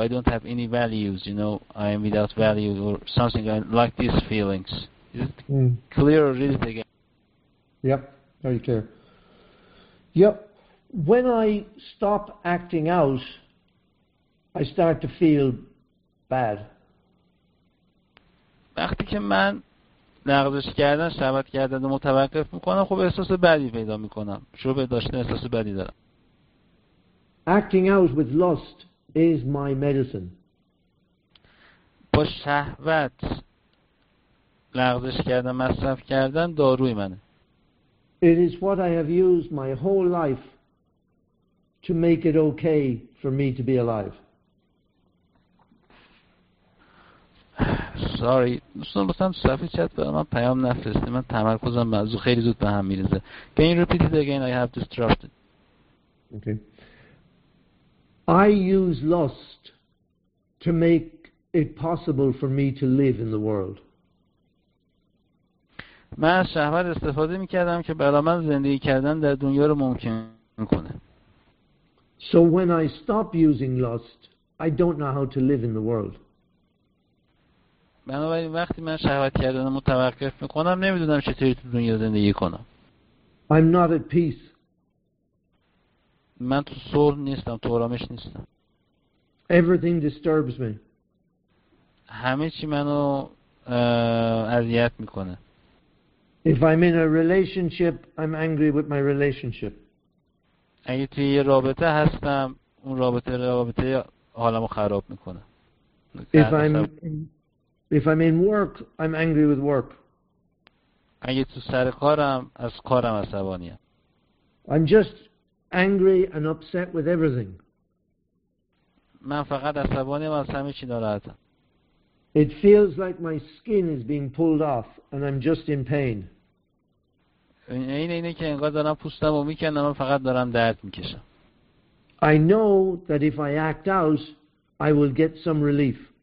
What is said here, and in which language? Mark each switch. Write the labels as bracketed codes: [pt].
[en] I don't have any values, you know, I am without value or something like these feelings. Is it clear or is it again? Yep, are you clear? Yep. When I stop acting out, I start to feel bad. [fa] وقتی که من لغزش کردن، شهوت کردن رو متوقف میکنم، خب احساس بدی پیدا میکنم. شروع به داشتن احساس بدی دارم. [en] Acting out with lust is my medicine. [fa] با شهوت لغزش کردن، مصرف کردن داروی منه. [en] It is what I have used my whole life to make it okay for me to be alive. Sorry. [fa] دوستان بستم صفحه چت برای من پیام نفرسته. من تمرکزم بازو خیلی زود به هم میرزه. [en] Can you repeat it again? I have disrupted. Okay. I use lust to make it possible for me to live in the world. [fa] من از شهوت استفاده میکردم که برای من زندگی کردن در دنیا رو ممکن کنه. [en] So when I stop using lust, I don't know how to live in the world. [fa] بنابراین وقتی من شهوت کردن متوقف میکنم نمیدونم چطوری تو دنیا زندگی کنم. [en] I'm not at peace. [fa] من تو صلح نیستم، تو آرامش نیستم. [en] Everything disturbs me. [fa] همه چی منو اذیت میکنه. [en] If I'm in a relationship, I'm angry with my relationship. [fa] اگه توی یه رابطه هستم، اون رابطه حالمو خراب میکنه. [en] If I'm in work, I'm angry with work. [fa] اگه تو سر کارم، از کارم عصبانیم. [en] I'm just angry and upset with everything. [fa] من فقط عصبانیم، از همه چی ناراحتم. [en] It feels like my skin is being pulled off and I'm just in pain. [fa] اینه که انگار دارم پوستم رو میکنم، من فقط دارم درد میکشم. [en] I know that if I act out, I will get some relief.